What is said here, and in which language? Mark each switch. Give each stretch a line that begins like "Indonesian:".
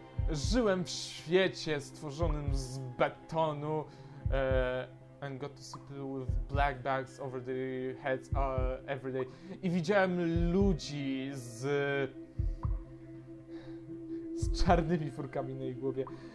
Polish: Żyłem w świecie stworzonym z betonu.
English: And got to see people with black bags over their heads every day.
Polish: I widziałem ludzi z czarnymi furkami na ich głowie.